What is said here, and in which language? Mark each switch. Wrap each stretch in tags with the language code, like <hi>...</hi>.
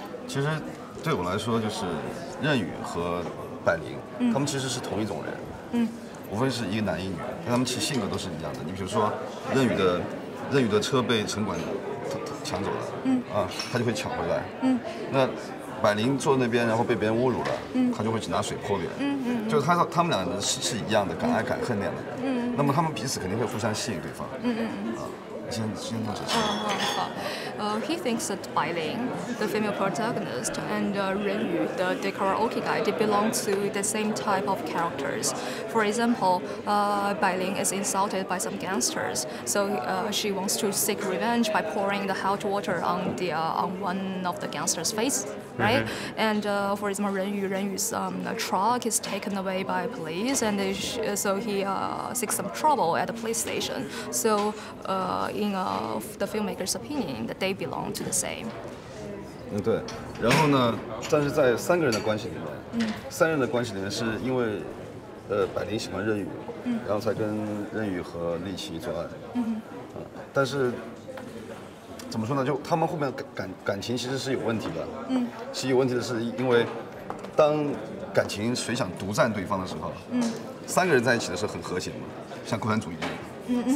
<zh>其实对我来说，就是任宇和百灵，他们其实是同一种人，无非是一个男一女，但他们其实性格都是一样的。你比如说任宇的车被城管抢走了，他就会抢回来，那百灵坐那边，然后被别人侮辱了，他就会去拿水泼别人，就是他们俩是一样的，敢爱敢恨那样的人。那么他们彼此肯定会互相吸引对方，</zh> <en>He thinks that Bai Ling, the female protagonist, and Ren Yu, the karaoke guy, they belong to the same type of characters. For example, Bai Ling is insulted by some gangsters, so she wants to seek revenge by pouring the hot water on the on one of the gangsters' face, right? Mm-hmm. And for example, Ren Yu's truck is taken away by police, and so he seeks some trouble at the police station. So in the filmmaker's opinion, that they belong to the same.</en> <zh>嗯，对。然后呢，但是在三个人的关系里面，嗯，三人的关系里面是因为，百灵喜欢任宇，嗯，然后才跟任宇和丽琪做爱，嗯，但是怎么说呢？就他们后面感情其实是有问题的，嗯，是有问题的，是因为当感情谁想独占对方的时候，嗯，三个人在一起的时候很和谐嘛，像共产主义一样。</zh>